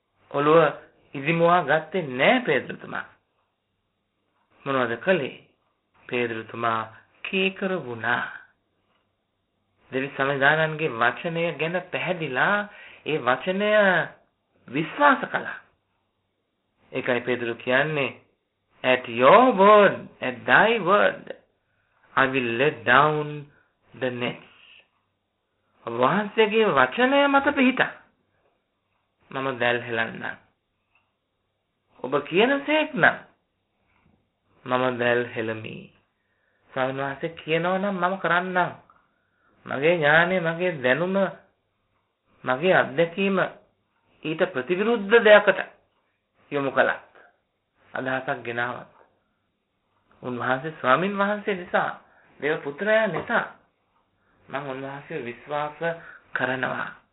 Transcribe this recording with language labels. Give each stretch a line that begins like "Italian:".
Sinhala: ඔළුව ඉදිමුවා ගත්තේ නෑ පේදුරුතුමා. මොනවද කළේ? පේදුරුතුමා කීකර වුණා. දෙවි සමිධානන්ගේ වචනය ගැන පැහැදිලා ඒ වචනය විශ්වාස කළා. ඒකයි පේදුරු කියන්නේ
English: at your word, at thy word, I will let down the nets.
Sinhala: වහන්සේගේ වචනය මත පිහිටා මම දැල් හෙලන්නම්. ඔබ කියන සේක්නම් මම දැල් හෙළමි. ස්වාමීන් වහන්සේ කියනවා නම් මම කරන්නම්. මගේ ඥානය, මගේ දැනුම, මගේ අත්දැකීම ඊට ප්‍රතිවිරුද්ධ දෙයකට යොමු කළත්, අදහසක් ගෙනාවත්, උන්වහන්සේ ස්වාමින් වහන්සේ නිසා, දේව පුත්‍රයා නිසා මම උන්වහන්සේ විශ්වාස කරනවා.